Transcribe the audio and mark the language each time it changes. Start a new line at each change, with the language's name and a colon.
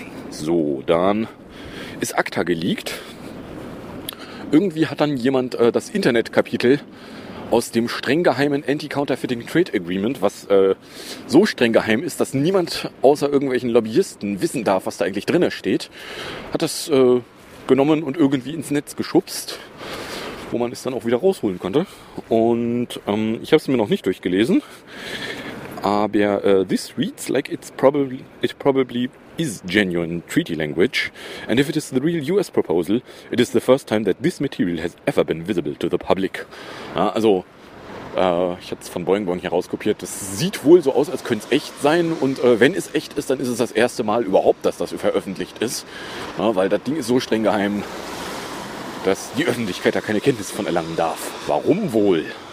German: So, dann ist ACTA geleakt. Irgendwie hat dann jemand das Internetkapitel aus dem streng geheimen Anti-Counterfeiting Trade Agreement, was so streng geheim ist, dass niemand außer irgendwelchen Lobbyisten wissen darf, was da eigentlich drin steht, hat das genommen und irgendwie ins Netz geschubst, wo man es dann auch wieder rausholen konnte. Und ich habe es mir noch nicht durchgelesen.
English: Aber this reads like it probably is genuine treaty language. And if it is the real US proposal, it is the first time that this material has ever been visible to the public.
German: Ja, also, ich hatte es von Boing hier rauskopiert. Das sieht wohl so aus, als könnte es echt sein. Und wenn es echt ist, dann ist es das erste Mal überhaupt, dass das veröffentlicht ist. Ja, weil das Ding ist so streng geheim, dass die Öffentlichkeit da keine Kenntnis von erlangen darf. Warum wohl?